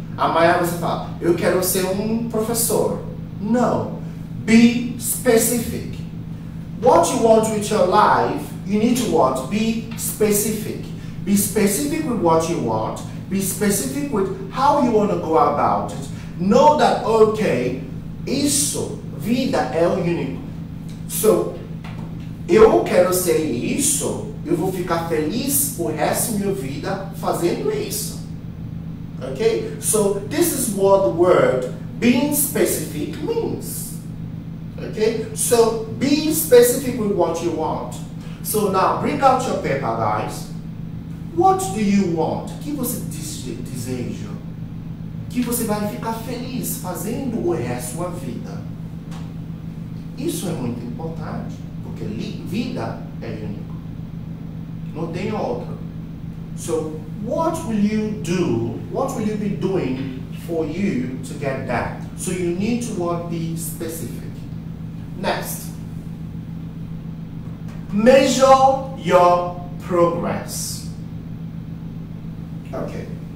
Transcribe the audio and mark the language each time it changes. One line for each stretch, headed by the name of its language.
Portuguese: Amanhã você fala, eu quero ser professor.
English: No, be specific. What you want with your life, you need to what? Be specific. Be specific with what you want. Be specific with how you want to go about it. Know that, okay,
Portuguese: isso, vida é o único.
English: So,
Portuguese: eu quero ser isso, eu vou ficar feliz o resto da minha vida fazendo isso.
English: Okay, so this is what the word being specific means. Okay, so be specific with what you want. So now bring out your paper, guys. What do you want?
Portuguese: Que você deseja? Que você vai ficar feliz fazendo o resto da vida? Isso é muito importante, porque vida é único. Não tem outra.
English: So, what will you do? What will you be doing for you to get that? So you need to work, be specific. Next, measure your progress. Okay.